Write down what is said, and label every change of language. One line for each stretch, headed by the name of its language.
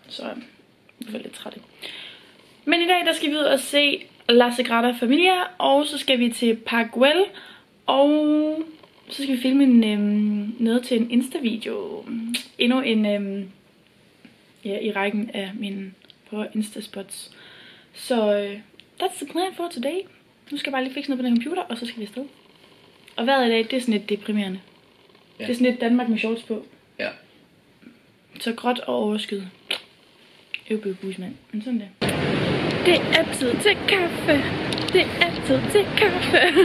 Danish: Så jeg var lidt træt. Men i dag der skal vi ud og se La Sagrada Familia, og så skal vi til Parkwell. Og så skal vi filme en, noget til en Insta-video. Endnu en i rækken af mine prøver Insta-spots. Så
English: that's the plan for today.
Danish: Nu skal jeg bare lige fikse noget på den computer, og så skal vi afsted. Og vejret i dag, det er sådan lidt deprimerende. Ja. Det er sådan lidt Danmark med shorts på. Ja. Så gråt og overskyet. Øvbøg busmand. Men sådan det. Det er tid til kaffe. Det er tid til kaffe.